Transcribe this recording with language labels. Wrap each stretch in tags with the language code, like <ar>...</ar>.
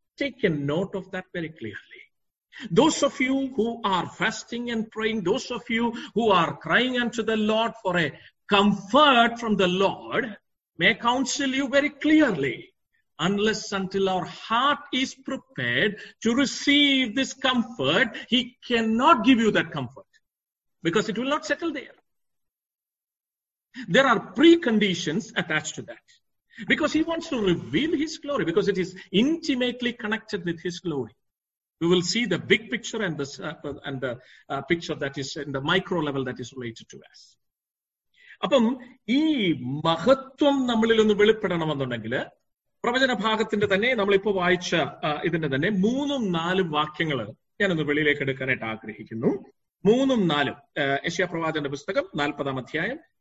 <en>Take a note of that very clearly. Those of you who are fasting and praying, those of you who are crying unto the Lord for a comfort from the Lord, may counsel you very clearly, unless until our heart is prepared to receive this comfort, he cannot give you that comfort because it will not settle there. There are preconditions attached to that. Because he wants to reveal his glory, because it is intimately connected with his glory. We will see the big picture and the picture that is in the micro level that is related to us.</en> <ml>അപ്പം ഈ മഹത്വം നമ്മളിൽ ഒന്ന് വെളിപ്പെടണമെന്നുണ്ടെങ്കിൽ പ്രവചന ഭാഗത്തിന്റെ തന്നെ നമ്മളിപ്പോ വായിച്ച ഇതിന്റെ തന്നെ മൂന്നും നാലും വാക്യങ്ങൾ ഞാനൊന്ന് വെളിയിലേക്ക് എടുക്കാനായിട്ട് ആഗ്രഹിക്കുന്നു. മൂന്നും നാലും യെശയ്യാ പ്രവാചകന്റെ പുസ്തകം 40-ാം അധ്യായം.</ml>